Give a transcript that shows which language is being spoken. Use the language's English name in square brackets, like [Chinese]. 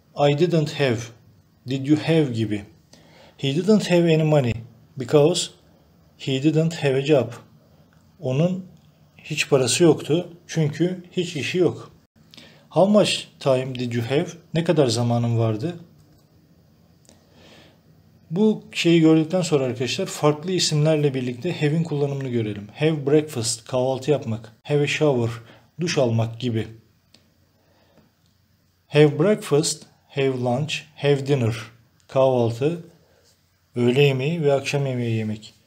[English] I didn't have, did you have gibi. He didn't have any money because he didn't have a job. [Turkish] Onun hiç parası yoktu çünkü hiç işi yok. [English] How much time did you have? [Turkish] Ne kadar zamanın vardı? Bu şeyi gördükten sonra arkadaşlar farklı isimlerle birlikte have'in kullanımını görelim. Have breakfast, kahvaltı yapmak. Have a shower, duş almak gibi. Have breakfast, have lunch, have dinner, kahvaltı, öğle yemeği ve akşam yemeği yemek.